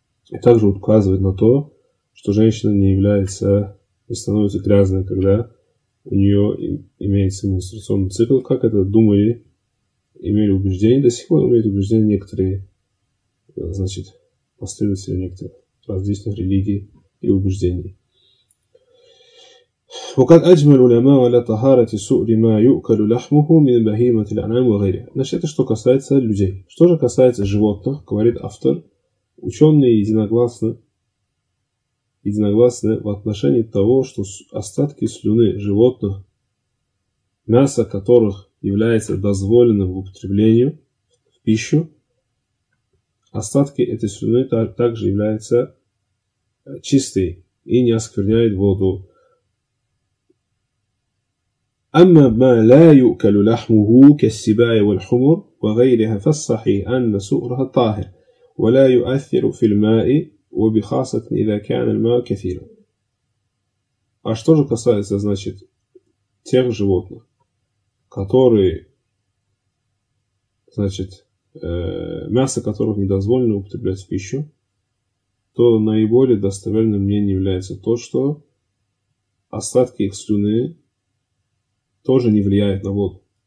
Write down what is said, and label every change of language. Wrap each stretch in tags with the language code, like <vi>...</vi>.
<ru>И также указывает на то, что женщина не является и становится грязной, когда у нее имеется менструационный цикл, как это думали, имели убеждение, до сих пор имеют убеждение некоторые, значит, последователи некоторых различных религий и убеждений.</ru> <ar>وقد أجمل العلماء على طهارة سؤر ما يؤكل لحمه من بهيمة الأنعام وغيرها.</ar> <ru>Значит, это что касается людей. Что же касается животных, говорит автор, ученые единогласны в отношении того, что остатки слюны животных, мясо которых является дозволенным в употреблении в пищу, остатки этой слюны также являются чистой и не оскверняют воду.</ru> <ar>أما ما لا يؤكل لحمه كالسباع والحمر وغيرها فالصحيح أن سؤرها طاهر ولا يؤثر في الماء وبخاصة إذا كان الماء كثيرا.</ar> <ru>А что же касается, значит, тех животных, которые, значит, мясо которых не дозволено употреблять в пищу, то наиболее достоверным мнением является то, что остатки их слюны тоже не влияют на воду.</ru>